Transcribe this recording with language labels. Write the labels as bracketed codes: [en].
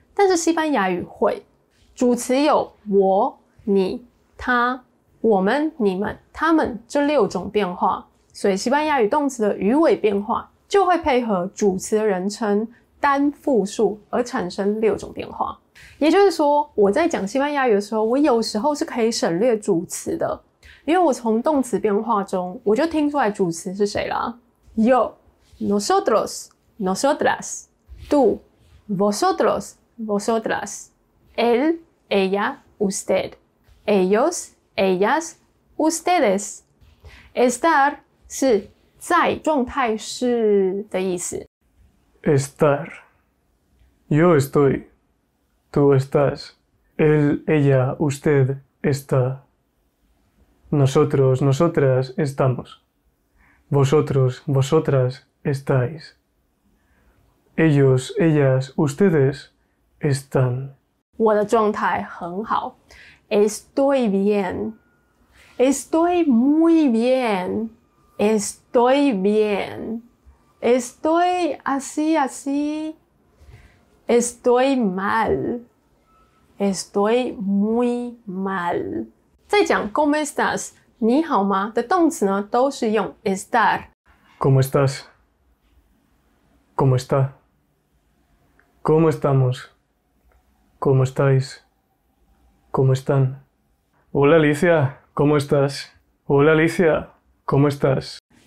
[zh] 但是西班牙语会，主词有我、你、他、我们、你们、他们这六种变化，所以西班牙语动词的语尾变化就会配合主词的人称单复数而产生六种变化。也就是说，我在讲西班牙语的时候，我有时候是可以省略主词的，因为我从动词变化中我就听出来主词是谁啦。 [es] Yo, nosotros, nosotras, tú, vosotros,Vosotras, él, ella, usted, ellos, ellas, ustedes. [zh] Estar 是在状态是的意思。 [es] Estar. Yo estoy. Tú estás. Él, ella, usted está. Nosotros, nosotras estamos. Vosotros, vosotras estáis. Ellos, ellas, ustedes. Están. [zh] 我的状态很好。 [es] Estoy bien. Estoy muy bien. Estoy bien. Estoy así así. Estoy mal. Estoy muy mal. [zh] 在讲 [es] ¿Cómo estás? [zh] 你好吗？的动词呢，都是用 estar. [es] ¿Cómo estás? ¿Cómo está? ¿Cómo estamos? ¿Cómo estáis? ¿Cómo están? Hola Alicia, ¿cómo estás? Hola Alicia, ¿cómo estás?